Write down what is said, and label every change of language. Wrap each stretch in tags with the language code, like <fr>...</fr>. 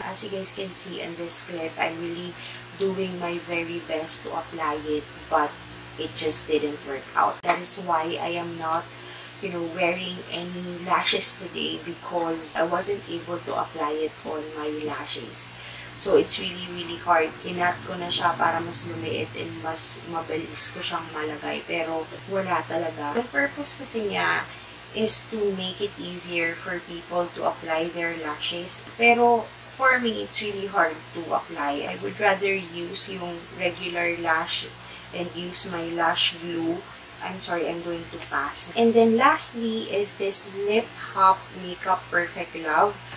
<en>As you guys can see in this clip, I'm really doing my very best to apply it, but it just didn't work out. That is why I am not, you know, wearing any lashes today because I wasn't able to apply it on my lashes. So it's really, really hard.</en> <tl>Kinat ko na siya para mas lumiit and mas mabilis ko siyang malagay. Pero wala talaga.</tl> <en>The purpose</en> <tl>kasi niya</tl> <en>is to make it easier for people to apply their lashes.</en> <tl>Pero</tl> <en>for me, it's really hard to apply. I would rather use yung regular lash and use my lash glue. I'm sorry, I'm going too fast. And then lastly is this Lip Hop Makeup Perfect Love.</en>